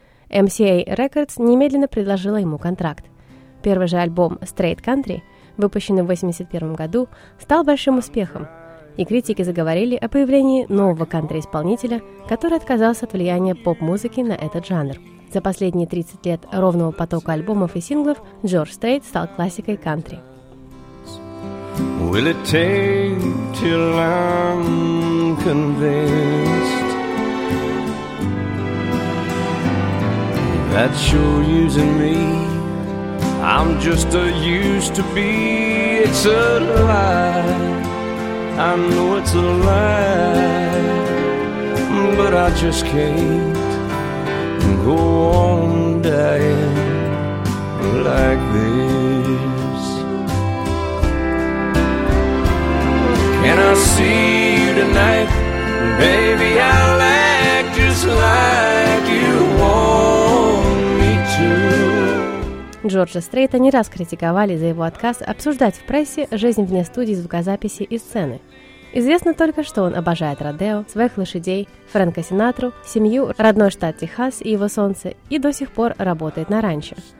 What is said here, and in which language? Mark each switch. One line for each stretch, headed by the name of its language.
Russian: MCA Records немедленно предложила ему контракт. Первый же альбом «Straight Country», выпущенный в 1981 году, стал большим успехом, и критики заговорили о появлении нового кантри-исполнителя, который отказался от влияния поп-музыки на этот жанр. За последние 30 лет ровного потока альбомов и синглов Джордж Стрейт стал классикой кантри.
English: Will it take till I'm convinced that you're using me? I'm just a used to be. It's a lie, I know it's a lie, but I just can't go on dying like this. Can I see you tonight? Baby, I'll act just like you want me to.
Russian: Джорджа Стрейта не раз критиковали за его отказ обсуждать в прессе жизнь вне студии звукозаписи и сцены. Известно только, что он обожает родео, своих лошадей, Фрэнка Синатру, семью, родной штат Техас и его солнце, и до сих пор работает на ранчо.